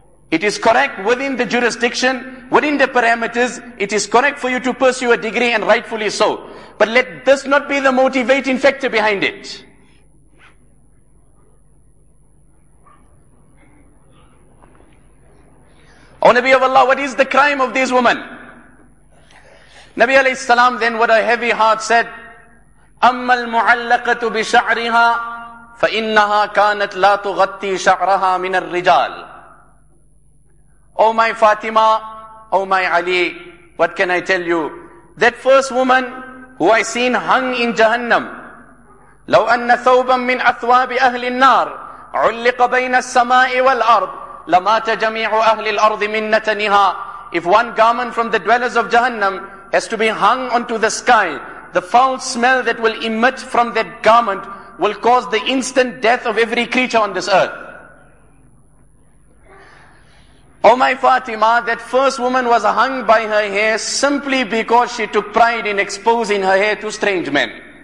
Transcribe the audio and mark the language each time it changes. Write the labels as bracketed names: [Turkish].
[English] It is correct within the jurisdiction, within the parameters, it is correct for you to pursue a degree, and rightfully so. But let this not be the motivating factor behind it. O Nabi of Allah, what is the crime of these women? Nabi alayhi salam then with a heavy heart said, [Arabic] أَمَّا الْمُعَلَّقَةُ بِشَعْرِهَا فَإِنَّهَا كَانَتْ لَا تُغَطِّي شَعْرَهَا مِنَ الرِّجَالِ. [English] Oh my Fatima, oh my Ali, what can I tell you? That first woman who I seen hung in Jahannam, [Arabic] لو أن ثوبا من أثواب أهل النار علق بين السماء والأرض لمات جميع أهل الأرض من نتنها. [English] If one garment from the dwellers of Jahannam has to be hung onto the sky, the foul smell that will emit from that garment will cause the instant death of every creature on this earth. Oh my Fatima, that first woman was hung by her hair simply because she took pride in exposing her hair to strange men.